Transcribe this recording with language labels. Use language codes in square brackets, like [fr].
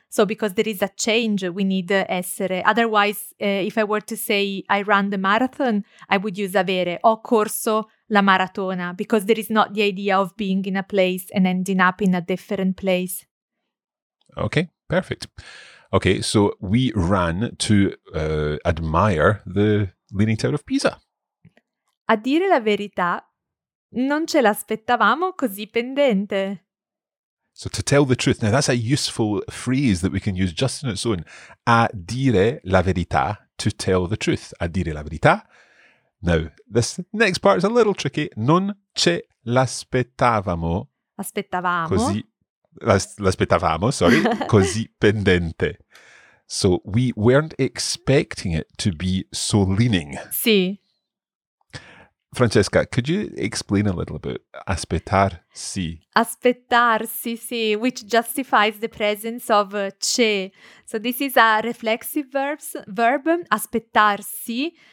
[en] So because there is a change, we need essere. Otherwise, if I were to say I run the marathon, I would use avere. [it] Ho corso la maratona, [en] because there is not the idea of being in a place and ending up in a different place. Okay, perfect. Okay, so we ran to admire the Leaning Tower of Pisa. [it] A dire la verità, non ce l'aspettavamo così pendente. [en] So to tell the truth, now that's a useful phrase that we can use just on its own. [it] A dire la verità, [en] to tell the truth. [it] A dire la verità. [en] Now, this next part is a little tricky. [it] Non ce l'aspettavamo. Aspettavamo. Così, l'aspettavamo, sorry, così pendente. [en] So we weren't expecting it to be so leaning. [it] Sì. [en] Francesca, could you explain a little about aspettarsi? [it] Aspettarsi, sì, [en] which justifies the presence of ce. So this is a reflexive verb, aspettarsi.